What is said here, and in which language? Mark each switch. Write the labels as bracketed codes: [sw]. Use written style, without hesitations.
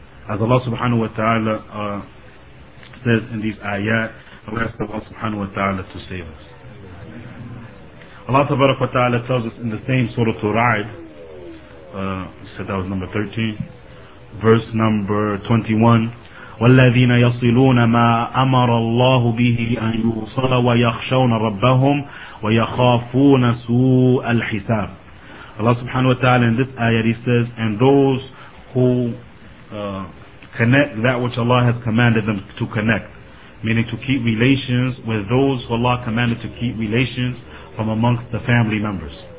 [en] As Allah subhanahu wa ta'ala says in these ayat, we ask Allah subhanahu wa ta'ala to save us. Allah tabarak wa ta'ala tells us in the same Surah Al-Ra'd, you said that was number 13, verse number 21, [ar] والذين يصلون ما أمر الله به أن يوصل ويخشون ربهم ويخافون سوء الحساب. [en] Allah subhanahu wa ta'ala in this ayah, he says, and those who connect that which Allah has commanded them to connect, meaning to keep relations with those who Allah commanded to keep relations from amongst the family members.